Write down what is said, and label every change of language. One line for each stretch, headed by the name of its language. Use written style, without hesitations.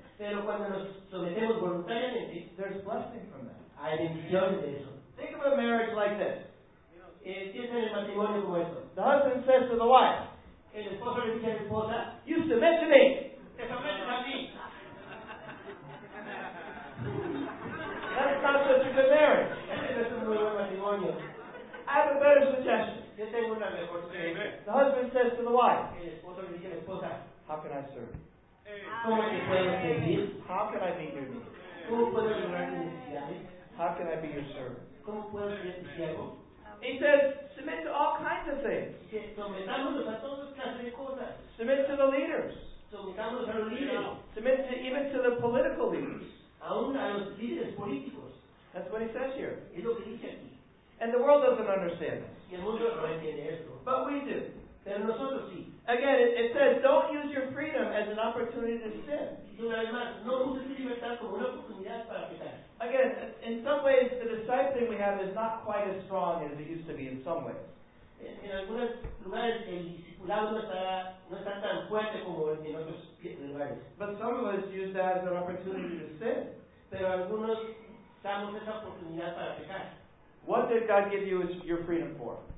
Spanish: pero cuando nos sometemos voluntariamente,
English: there's blessing from that.
Spanish: Hay bendición de eso.
English: Think of a marriage like this.
Spanish: Piensen en el matrimonio como esto.
English: The husband says to the wife,
Spanish: el esposo le dice a la esposa,
English: you submit to me.
Spanish: Te sometes a mí.
English: That's not such a good marriage.
Spanish: Es un muy buen matrimonio.
English: I have a better suggestion.
Spanish: Yo tengo una mejor suggestion.
English: The husband says to the wife,
Spanish: el esposo le dice a la esposa,
English: how can I serve?
Spanish: ¿Cómo te puedo servir?
English: How can I be your servant?
Spanish: ¿Cómo puedo ayudar tus necesidades?
English: How can I be your servant?
Spanish: ¿Cómo puedo ser tu siervo?
English: He says, submit to all kinds of things.
Spanish: Sometámonos a todas clases de cosas.
English: Submit to the leaders.
Spanish: Sometámonos a los líderes.
English: Submit to even to the political leaders.
Spanish: Aún a los líderes políticos.
English: That's what he says here.
Spanish: Es lo que dice aquí.
English: And the world doesn't understand this.
Spanish: Y el mundo no entiende esto.
English: But we do.
Spanish: Pero nosotros sí.
English: Again, it says, don't use your freedom as an opportunity to sin.
Spanish: No uses tu libertad como una oportunidad para pecar.
English: Again, in some ways, the discipling we have is not quite as strong as it used to be in some ways.
Spanish: En algunos lugares, el discipulado no está tan fuerte como en otros lugares.
English: But some of us use that as an opportunity to sin.
Spanish: Pero algunos usamos esa oportunidad para pecar.
English: What did God give you as your freedom for?